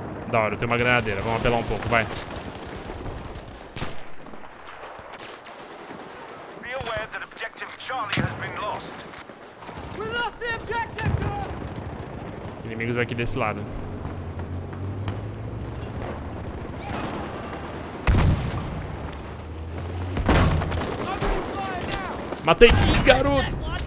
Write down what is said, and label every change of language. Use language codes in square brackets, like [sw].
[pt] Da hora, eu tenho uma granadeira. Vamos apelar um pouco, vai. [en] Be aware that objective Charlie has been lost. We lost the objective, girl. [pt] Inimigos aqui desse lado. Matei! Ih, garoto!